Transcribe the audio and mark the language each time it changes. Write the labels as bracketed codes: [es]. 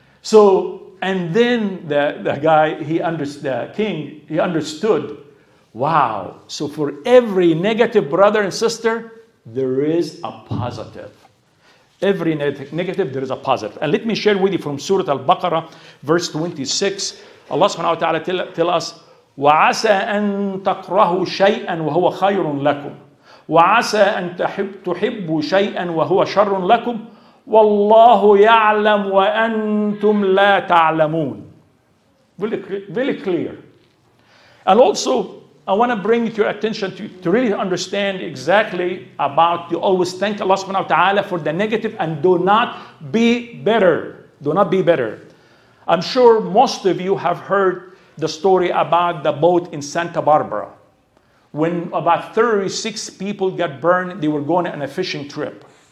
[en] So, and then the king understood, wow. So for every negative brother and sister, there is a positive. Every negative, there is a positive. And let me share with you from Surah Al-Baqarah, verse 26. Allah subhanahu wa ta'ala tell us, [ar] وَعَسَىٰ أَن تَقْرَهُ شَيْئًا وَهُوَ خَيْرٌ لَكُمْ وَعَسَىٰ أَن تُحِبُّ شَيْئًا وَهُوَ شَرٌ لَكُمْ وَاللَّهُ يَعْلَمُ وَأَنْتُمْ لَا تَعْلَمُونَ. [en] Very clear. And also, I want to bring your attention to really understand exactly about, you always thank Allah subhanahu wa ta'ala for the negative and do not be bitter. Do not be bitter. I'm sure most of you have heard the story about the boat in Santa Barbara, when about 36 people got burned, they were going on a fishing trip.